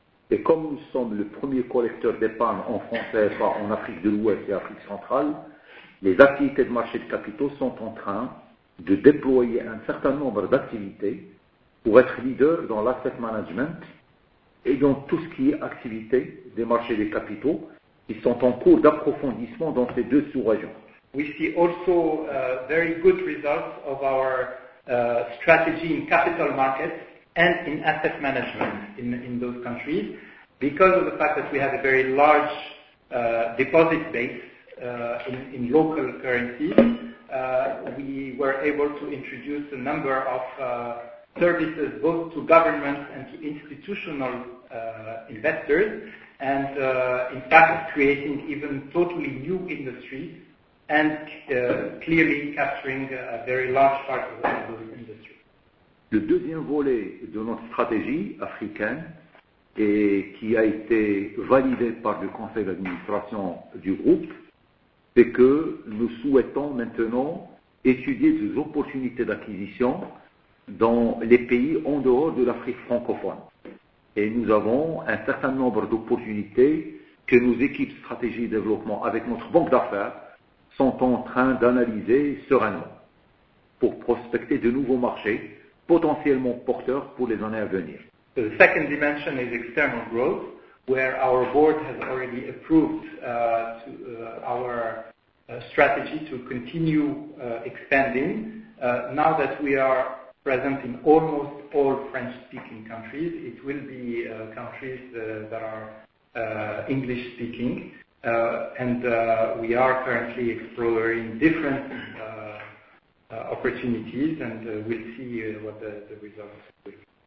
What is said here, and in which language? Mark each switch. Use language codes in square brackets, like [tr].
[fr] Et comme nous sommes le premier collecteur d'épargne en français, en Afrique de l'Ouest et Afrique centrale, les activités de marché de capitaux sont en train de déployer un certain nombre d'activités pour être leader dans l'asset management et dans tout ce qui est activité des marchés des capitaux qui sont en cours d'approfondissement dans ces deux sous-régions. [en] We see also very good results of our strategy in capital markets and in asset management in those countries because of the fact that we have a very large deposit base in local currencies. We were able to introduce a number of services both to government and to institutional investors, and in fact creating even totally new industries and clearly capturing a very large part of those industries. [fr] Le deuxième volet de notre stratégie africaine et qui a été validé par le conseil d'administration du groupe, c'est que nous souhaitons maintenant étudier des opportunités d'acquisition dans les pays en dehors de l'Afrique francophone. Et nous avons un certain nombre d'opportunités que nos équipes stratégie et développement avec notre banque d'affaires sont en train d'analyser sereinement pour prospecter de nouveaux marchés potentiellement porteurs pour les années à venir. [en] So the second dimension is external growth, where our board has already approved our strategy to continue expanding. Now that we are present in almost all French-speaking countries, it will be countries that are English-speaking, and we are currently exploring different opportunities, and we'll see what the results will be.